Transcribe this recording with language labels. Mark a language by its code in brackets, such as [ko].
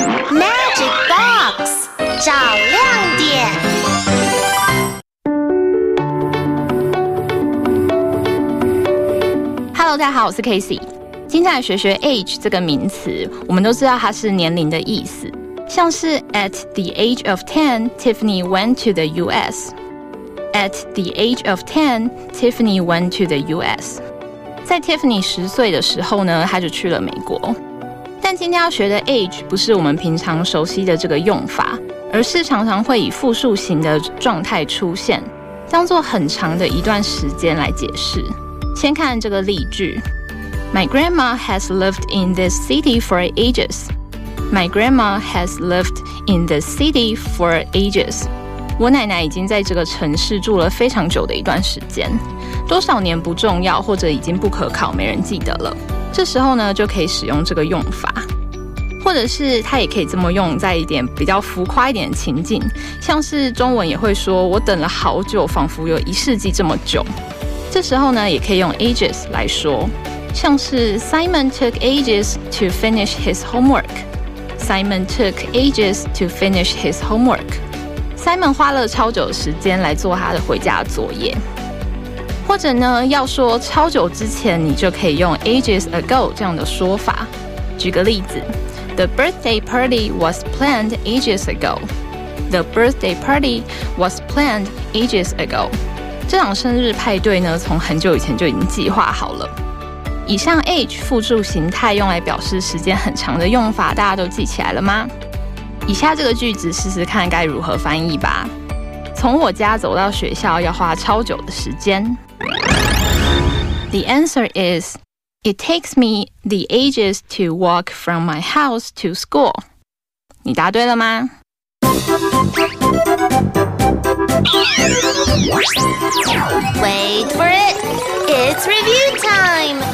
[zh] Magic Box， 找亮点。 Hello， 大家好，我是 Casey。今天来学学 age 这个名词，我们都知道它是年龄的意思。 [en] 像是 at the age of 10， Tiffany went to the U.S. At the age of 10， Tiffany went to the U.S. [zh] 在 Tiffany 十岁的时候呢，他就去了美国。但今天要学的 age 不是我们平常熟悉的这个用法，而是常常会以复数型的状态出现，当作很长的一段时间来解释。先看这个例句 [en] ：My grandma has lived in this city for ages. My grandma has lived in this city for ages. [zh] 我奶奶已经在这个城市住了非常久的一段时间，多少年不重要，或者已经不可考，没人记得了。这时候呢，就可以使用这个用法，或者是它也可以这么用在一点比较浮夸一点的情境，像是中文也会说我等了好久，仿佛有一世纪这么久。这时候呢，也可以用 ages 来说，像是 [en] Simon took ages to finish his homework. Simon took ages to finish his homework. [zh] Simon 花了超久的时间来做他的回家作业。或者呢，要说超久之前，你就可以用 ages ago 这样的说法。举个例子 [en] ，The birthday party was planned ages ago. The birthday party was planned ages ago. [zh] 这场生日派对呢，从很久以前就已经计划好了。以上 age 复数形态用来表示时间很长的用法，大家都记起来了吗？以下这个句子试试看该如何翻译吧。从我家走到学校要花超久的时间。 [en] The answer is, it takes me the ages to walk from my house to school. [zh] 你答对了吗？ [en] Wait for it! It's review time!